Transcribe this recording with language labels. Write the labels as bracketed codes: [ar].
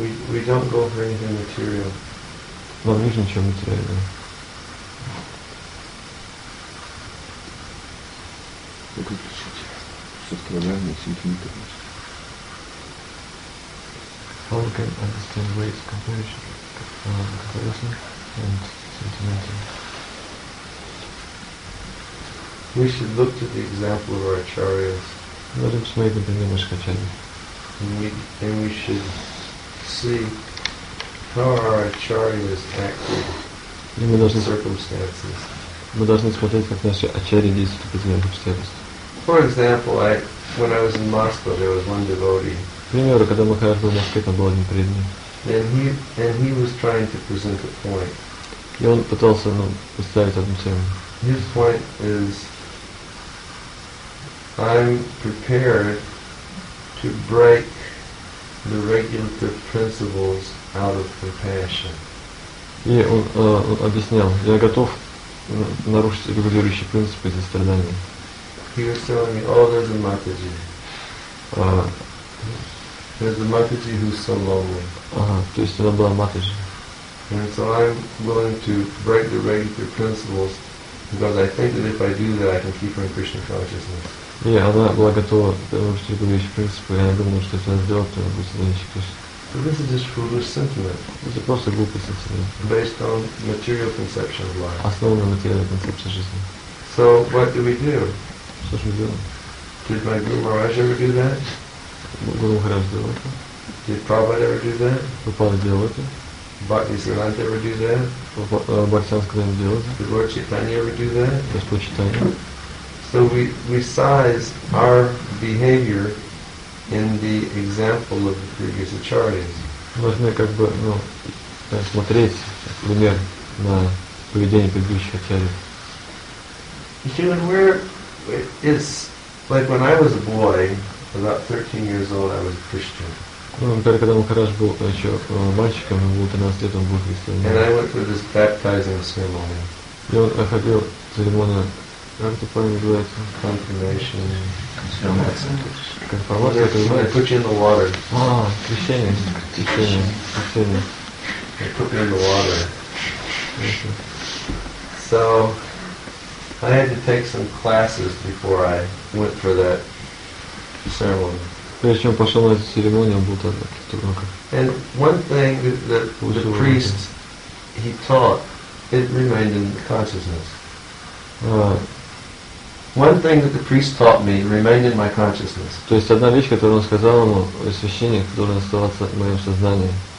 [en] We don't go for anything material. [ru] Нам не нужно ничего материального. Как отличить сострадание и сентиментальность? [en] How can I understand ways of comparison and sentimentality? We should look to the example of our acharyas. Let us make it in the Mishkachani. And we should see how our acharyas acted in the circumstances. [ru] Мы должны смотреть, как наши ачарьи действуют в определенных обстоятельствах. [en] For example, when I was in Moscow, there was one devotee. [ru] К примеру, когда Махарадж был в Москве, там был один преданный. [en] And he was trying to present a point. [ru] И он пытался представить одну тему. [en] His point is I'm prepared to break the regulative principles out of compassion. [ru] И он объяснял, я готов нарушить регулирующие принципы из-за страдания. [en] He was telling me, oh, there's a Mataji. There's a Mataji who's so lonely. [ru] То есть она была Матаджи. [en] And so I'm willing to break the regulative principles because I think that if I do that, I can keep her in Krishna consciousness. [ru] И она была готова нарушить регулирующие принципы, и она думала, что если она сделает, то она будет сознающей Кришне. [en] So this is just foolish sentiment. It's just a [ru] глупый [en] sentiment. Based on material conception of life. [ru] Основанная материальная концепция жизни. [en] So what do we do? [ru] Что же мы делаем? [en] Did my Guru Maharaj ever do that? [ru] Guru Maharaj сделал это. [en] Did Prabhupada ever do that? [ru] Prabhupada сделал это. [en] Bhakti Siddhanta ever do that? [ru] Bhaktisiddhanta сказал ему делать. [en] Did Lord Chaitanya ever do that? [ru] Господь Чайтанья. [en] So we size our behavior in the example of the previous acharyas. [ru] Можно как бы, ну, смотреть пример на поведение предыдущих ачарьев. [en] You know, where it's like when I was a boy, about 13 years old, I was a Christian. [ru] Ну, например, когда Махарадж был еще мальчиком, ему было 13 лет, он был христианином. [en] And I went through this baptizing ceremony. [ru] И он проходил церемонию. Как это правильно называется? [en] Confirmation. [ru] Конфирмация. [en] They put you in the water. [ru] Крещение. [en] They put me in the water. So, I had to take some classes before I went for that ceremony. [ru] Прежде чем пошел на эту церемонию, он был там на каких-то уроках. [en] And one thing that the priest, he taught, it remained in the consciousness. One thing that the priest taught me remained in my consciousness. [ru] То есть одна вещь, которую он сказал ему, священник, должен оставаться в моем сознании.